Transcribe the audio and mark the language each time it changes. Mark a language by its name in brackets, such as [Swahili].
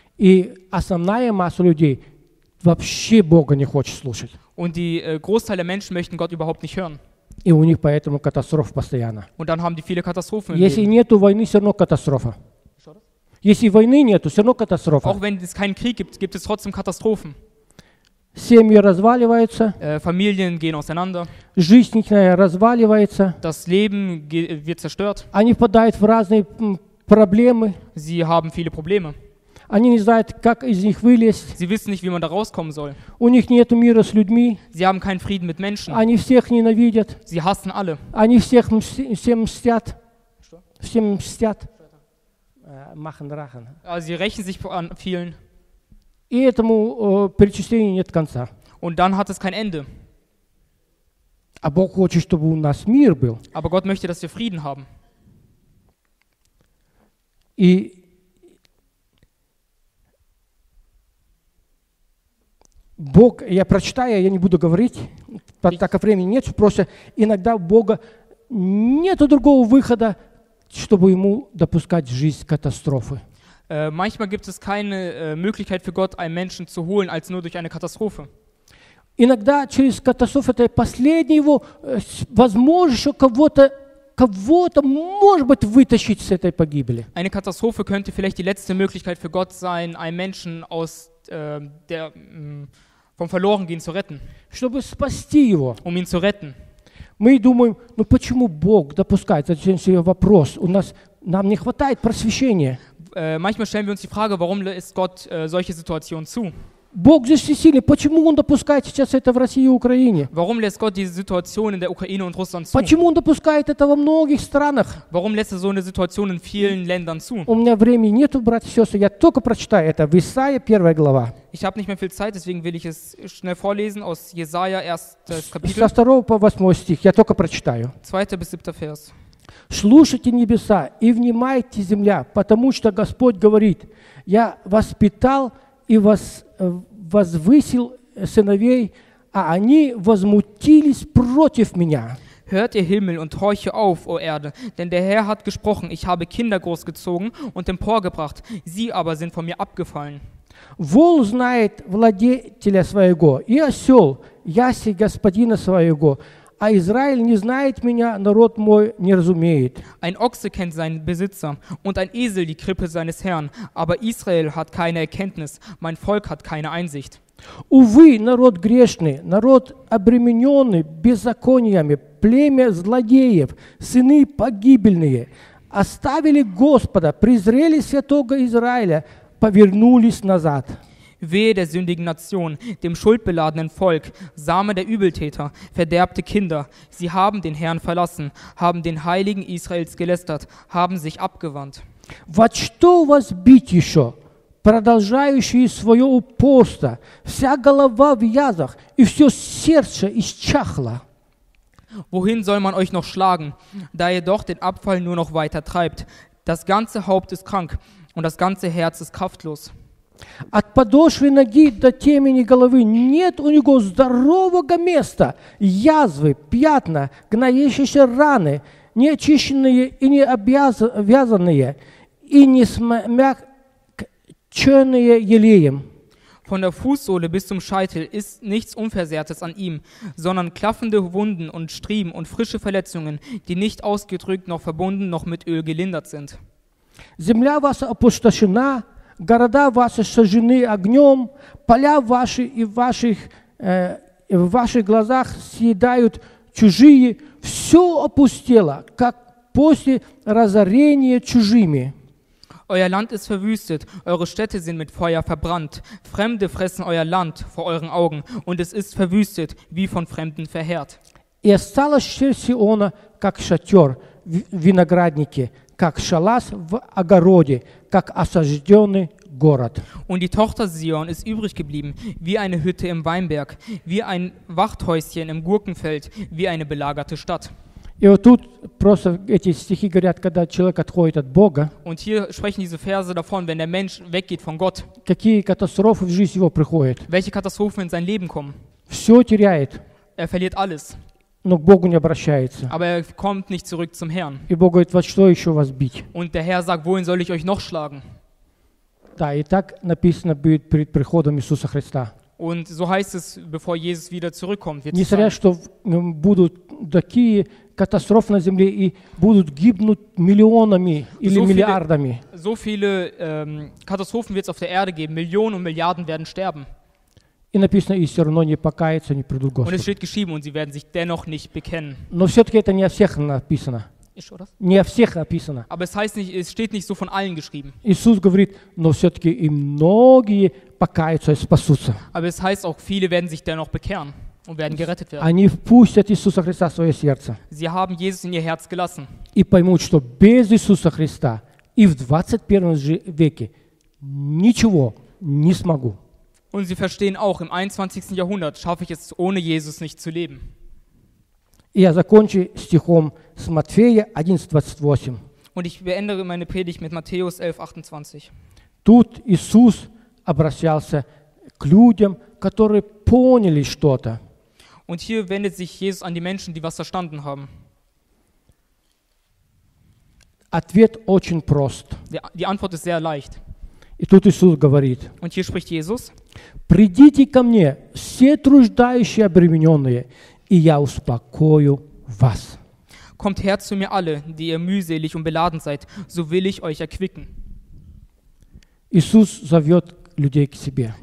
[Russian] И основная масса людей вообще Бога не хочет слушать. [German] Und die Großteil der Menschen möchten Gott überhaupt nicht hören. [Russian] И у них поэтому катастрофа постоянно. [German] Und dann haben die viele Katastrophen. [Russian] Если нету войны, все равно катастрофа. Если войны нету, все равно катастрофа. [German] Auch wenn es keinen Krieg gibt, gibt es trotzdem Katastrophen. [Russian] Семьи разваливаются. [German] Familien gehen auseinander. [Russian] Жизнь разваливается. [German] Das Leben wird zerstört. [Russian] Они впадают в разные проблемы. [German] Sie haben viele Probleme. [Russian] Они не знают, как из них вылезть. [German] Sie wissen nicht, wie man da rauskommen soll. [Russian] У них нету мира с людьми. [German] Sie haben keinen Frieden mit Menschen. [Russian] Они всех ненавидят. [German] Sie hassen alle. [Russian] Они всех всем мстят. Что? Всем мстят. [German] Machen Rachen. Also sie rächen sich an vielen. [Russian] И этому перечислению нет конца. [German] Und dann hat es kein Ende. [Russian] А Бог хочет, чтобы у нас мир был. [German] Aber Gott möchte, dass wir Frieden haben. [Russian] И Бог, я прочитаю, я не буду говорить, так как времени нет, просто иногда у Бога нету другого выхода, чтобы ему допускать в жизнь катастрофы. [German] Manchmal gibt es keine Möglichkeit für Gott, einen Menschen zu holen, als nur durch eine Katastrophe. [Russian] Иногда через катастрофу это последний его, возможно, еще кого-то, может быть, вытащить с этой погибели. [German] Eine Katastrophe könnte vielleicht die letzte Möglichkeit für Gott sein, einen Menschen aus der... vom Verlorengehen zu retten. [Russian] Чтобы спасти его. [German] Um ihn zu retten. [Russian] Мы думаем, ну почему Бог допускает? Это все вопрос. У нас, нам не хватает просвещения. [German] Manchmal stellen wir uns die Frage, warum lässt Gott solche Situationen zu? [Russian] Бог здесь всесильный. Почему Он допускает сейчас это в России и Украине? [German] Warum lässt Gott diese Situation in der Ukraine und Russland zu? [Russian] Почему Он допускает это во многих странах? [German] Warum lässt er so eine Situation in vielen Ländern zu? [Russian] У меня времени нету, братья и сестры. Я только прочитаю это. В Исаии 1 глава. [German] Ich habe nicht mehr viel Zeit, deswegen will ich es schnell vorlesen aus Jesaja 1. Kapitel. [Russian] Со 2 по 8 стих. Я только прочитаю. [German] 2. bis 7. Vers. [Russian] Слушайте небеса и внимайте земля, потому что Господь говорит: Я воспитал и возвысил сыновей, а они возмутились против меня. [German] Hört ihr Himmel und horche auf, o Erde, denn der Herr hat gesprochen, ich habe Kinder großgezogen und emporgebracht, sie aber sind von mir abgefallen. [Russian] Вол знает владетеля своего, и осел, яси господина своего, а Израиль не знает меня, народ мой не разумеет. [German] Ein Ochse kennt seinen Besitzer und ein Esel die Krippe seines Herrn, aber Israel hat keine Erkenntnis, mein Volk hat keine Einsicht. [Russian] Увы, народ грешный, народ обремененный беззакониями, племя злодеев, сыны погибельные, оставили Господа, презрели святого Израиля, повернулись назад. [German] Wehe der sündigen Nation, dem schuldbeladenen Volk, Same der Übeltäter, verderbte Kinder. Sie haben den Herrn verlassen, haben den Heiligen Israels gelästert, haben sich abgewandt. [Russian] Вот что у вас бить еще, продолжающие свое упорство, вся голова в язах и все сердце исчахло. [German] Wohin soll man euch noch schlagen, da ihr doch den Abfall nur noch weiter treibt? Das ganze Haupt ist krank und das ganze Herz ist kraftlos. [Russian] От подошвы ноги до темени головы нет у него здорового места. Язвы, пятна, гноящиеся раны, неочищенные и не обвязанные, и не смягченные елеем. [German] Von der Fußsohle bis zum Scheitel ist nichts Unversehrtes an ihm, sondern klaffende Wunden und Strieben und frische Verletzungen, die nicht ausgedrückt noch verbunden noch mit Öl gelindert sind. [Russian] Земля ваша опустошена, города ваши сожжены огнем, поля ваши и в ваших глазах съедают чужие, все опустело, как после разорения чужими. [German] Euer Land ist verwüstet, eure Städte sind mit Feuer verbrannt. Fremde fressen euer Land vor euren Augen und es ist verwüstet, wie von Fremden verheert. [Russian] И осталось Сиона, как шатер в винограднике, как шалас в огороде, как осажденный город. [German] Und die Tochter Zion ist übrig geblieben, wie eine Hütte im Weinberg, wie ein Wachthäuschen im Gurkenfeld, wie eine belagerte Stadt. [Russian] И вот тут просто эти стихи говорят, когда человек отходит от Бога. [German] Und hier sprechen diese Verse davon, wenn der Mensch weggeht von Gott. [Russian] Какие катастрофы в жизнь его приходят? [German] Welche Katastrophen in sein Leben kommen? [Russian] Все теряет. [German] Er verliert alles. [Russian] Но к Богу не обращается. [German] Aber er kommt nicht zurück zum Herrn. [Russian] И Бог говорит, вот что еще вас бить? [German] Und der Herr sagt, wohin soll ich euch noch schlagen? [Russian] Да, и так написано будет перед приходом Иисуса Христа. [German] Und so heißt es, bevor Jesus wieder zurückkommt. [Russian] Не зря, что будут такие катастрофы на земле и будут гибнуть миллионами или миллиардами. [German] So viele Katastrophen wird es auf der Erde geben. Millionen und Milliarden werden sterben. [Russian] И написано, и все равно не покаятся, не придут к Господу. [German] Und es steht geschrieben, und sie werden sich dennoch nicht bekennen. [Russian] Но все-таки это не о всех написано. Не о всех написано. [German] Aber es heißt nicht, es steht nicht so von allen geschrieben. [Russian] Иисус говорит, но все-таки и многие покаятся и спасутся. [German] Aber es heißt auch, viele werden sich dennoch bekehren und werden gerettet werden. [Russian] Они впустят Иисуса Христа в свое сердце. [German] Sie haben Jesus in ihr Herz gelassen. [Russian] И поймут, что без Иисуса Христа и в 21 веке ничего не смогу. [German] Und sie verstehen auch, im 21. Jahrhundert schaffe ich es ohne Jesus nicht zu leben. [Russian] Я закончу стихом с Матфея 11:28. [German] Und ich beende meine Predigt mit Matthäus 11:28. [Russian] Тут Иисус обращался к людям, которые поняли что-то. [German] Und hier wendet sich Jesus an die Menschen, die was verstanden haben. [Russian] Ответ очень прост. [German] Die Antwort ist sehr leicht. [Russian] И тут Иисус говорит. [German] Und hier spricht Jesus. [Russian] Придите ко мне, все труждающие, обремененные, и я успокою вас. [German] Kommt her zu mir alle, die ihr mühselig und beladen seid, so will ich euch erquicken. [Russian] Иисус зовет людей к себе.